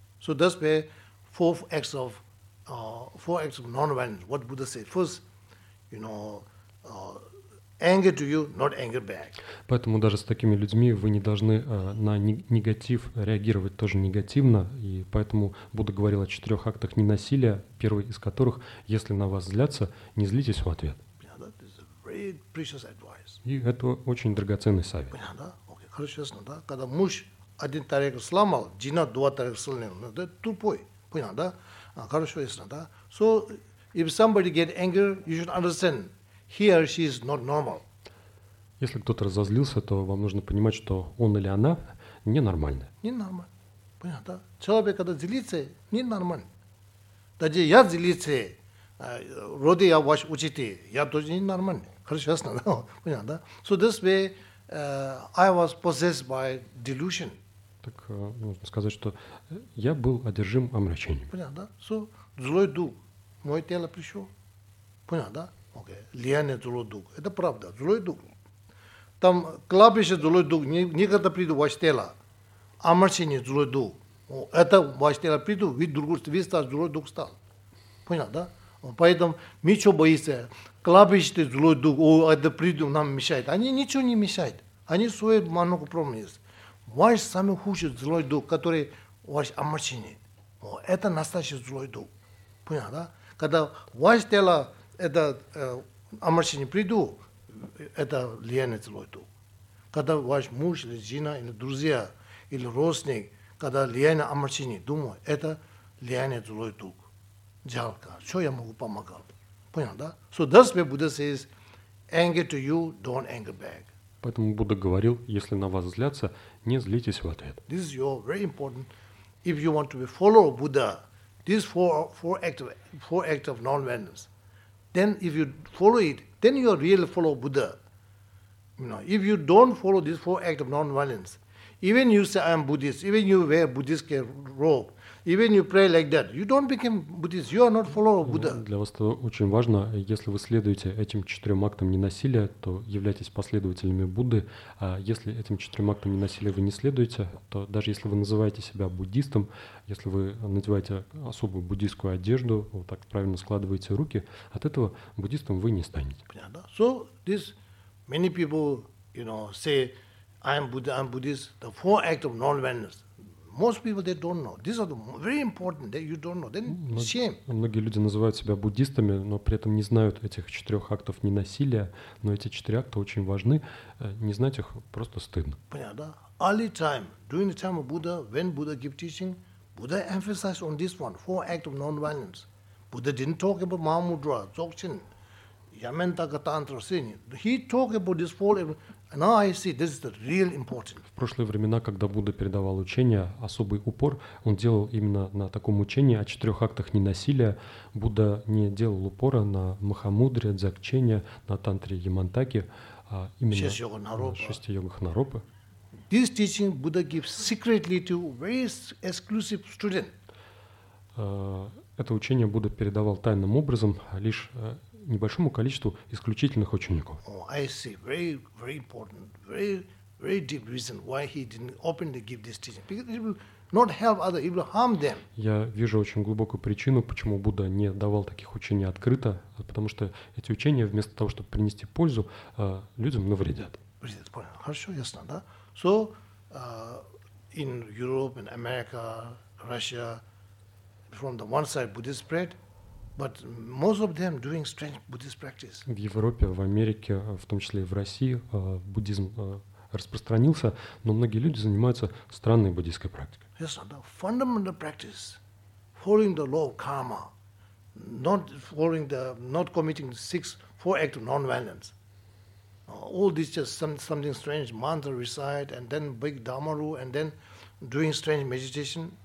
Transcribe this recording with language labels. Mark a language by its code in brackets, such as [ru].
[en] So that's where four acts of non-violence. What Buddha said first, anger to you, not anger back. [ru] Поэтому даже с такими людьми вы не должны на негатив реагировать тоже негативно. И поэтому Будда говорил о четырех актах ненасилия, первый из которых: если на вас злятся, не злитесь в ответ. [en] Yeah, that is a very precious advice. [ru] И это очень драгоценный совет. Понятно, да? Окей, хорошо, ясно, да? Когда муж один тарелку сломал, жена два тарелку сломала. Это тупой. Понятно, да? Хорошо, ясно, да? [en] So, if somebody get angry, you should understand, he or she is not normal. [ru] Если кто-то разозлился, то вам нужно понимать, что он или она ненормальный. Ненормальный. Понятно, да? Человек, когда злится, ненормальный. Даже я злится, вроде я ваш учитель, я тоже ненормальный. Хорошо, ясно, да? Понятно, да? [en] So this way, I was possessed by delusion. [ru] Так можно сказать, что я был одержим омрачением. Понятно, да? [en] So, [ru] злой дух, мое тело пришло. Понятно, да? Окей. Лияние злой дух. Это правда, злой дух. Там клапище злой дух, никогда приду в ваше тело. Омрачение злой дух. Это ваше тело приду, злой дух стал. Понятно, да? Поэтому мы что боимся? Клапище злой дух, о, это приду, нам мешает. Они ничего не мешают. Они свои маноку промыли. Ваш самый худший злой дух, который ваш омрачение. О, это настоящий злой дух. Понятно, да? Когда ваше тело, это омрачение приду, это влияние злой дух. Когда ваш муж или жена, или друзья, или родственник, когда влияние омрачение, думаю, это влияние злой дух. Жалко. Что я могу помогать? Понятно, да? [en] So that's why Buddha says, anger to you, don't anger back. [ru] Поэтому Будда говорил, если на вас злятся, не злитесь в ответ. [en] This is your very important. If you want to be follow Buddha, these four acts of non-violence. Then if you follow it, then you really follow Buddha. You know, if you don't follow these four acts of non-violence, even you say I am Buddhist, even you wear Buddhist robe, even you pray like that, you don't become Buddhist, you are not follower of Buddha. [ru] Для вас это очень важно, если вы следуете этим четырем актам ненасилия, то являетесь последователями Будды, а если этим четырем актам ненасилия вы не следуете, то даже если вы называете себя буддистом, если вы надеваете особую буддийскую одежду, вот так правильно складываете руки, от этого буддистом вы не станете. Понятно? [en] So this many people, you know, say I am Buddha, I am Buddhist, the four acts of non-violence. Most people, they don't know. These are the very important that you don't know. Then shame. [ru] Многие люди называют себя буддистами, но при этом не знают этих четырех актов ненасилия. Но эти четыре акта очень важны. Не знать их просто стыдно. Понятно? [en] Early time, during the time of Buddha, when Buddha gave teaching, Buddha emphasized on this one, four acts of non-violence. Buddha didn't talk about Mahamudra, Dzogchen, Yamantaka Tantra, Sini. He talked about this four. Now I see this is the real important. [ru] В прошлые времена, когда Будда передавал учение, особый упор он делал именно на таком учении о четырех актах ненасилия. Будда не делал упора на Махамудре, Дзакчене, на тантре Ямантаке, а именно шести йогах Наропы. [en] This teaching Buddha gives secretly to very exclusive student. [ru] Это учение Будда передавал тайным образом лишь небольшому количеству исключительных учеников. [en] Oh, I see. Very, very important, very, very deep reason why he didn't openly give this teaching. Because it will not help others, it will harm them. [ru] Я вижу очень глубокую причину, почему Будда не давал таких учений открыто, потому что эти учения вместо того, чтобы принести пользу, людям навредят. Понятно. Хорошо, ясно, да? [en] So, in Europe, in America, Russia, from the one side, Buddhist spread. But most of them doing strange Buddhist practice. [ru] В Европе, в Америке, в том числе и в России, буддизм распространился, но многие люди занимаются странной буддийской практикой. [en] Yes, the fundamental practice, following the law of karma, not committing four acts of non-violence. All this just something strange, mantra recite, and then big dharma rule, and then doing strange meditation.